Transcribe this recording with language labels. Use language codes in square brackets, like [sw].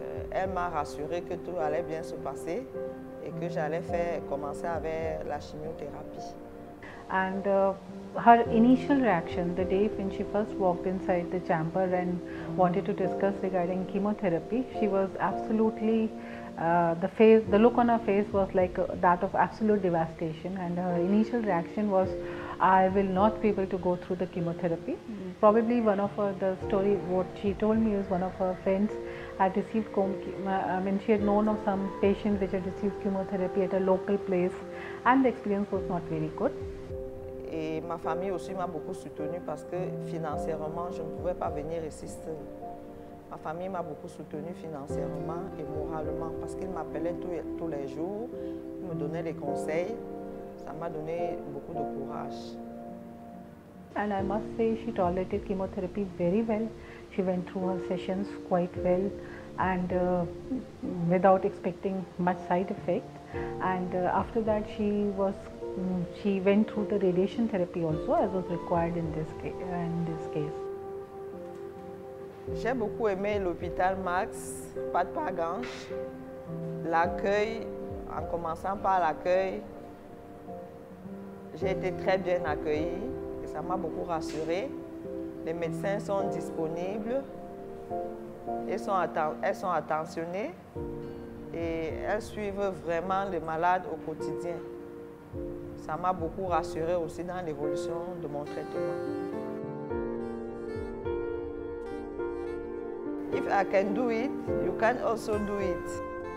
[fr] Elle m'a rassuré que tout allait bien se passer et que j'allais faire commencer avec la chimiothérapie. [en] And her initial reaction the day when she first walked inside the chamber and wanted to discuss regarding chemotherapy, she was absolutely the look on her face was like that of absolute devastation, and her initial reaction was, I will not be able to go through the chemotherapy. Probably one of her, the story what she told me is one of her friends had received, she had known of some patients which had received chemotherapy at a local place, and the experience was not very good. [fr] Et ma famille aussi m'a beaucoup soutenue parce que financièrement je ne pouvais pas venir ici. Ma famille m'a beaucoup soutenue financièrement et moralement parce qu'ils m'appelaient tous les jours, ils me donnaient des conseils. Ça m'a donné beaucoup de courage. [en] And I must say she tolerated chemotherapy very well. She went through her sessions quite well and without expecting much side effect. And after that she went through the radiation therapy also as was required in this case. [fr] J'ai beaucoup aimé l'hôpital Max Patparganj. L'accueil, en commençant par l'accueil, j'ai été très bien accueillie et ça m'a beaucoup rassurée. Les médecins sont disponibles, elles sont attentionnées et elles suivent vraiment les malades au quotidien. Ça m'a beaucoup rassurée aussi dans l'évolution de mon traitement. [en] If I can do it, you can also do it.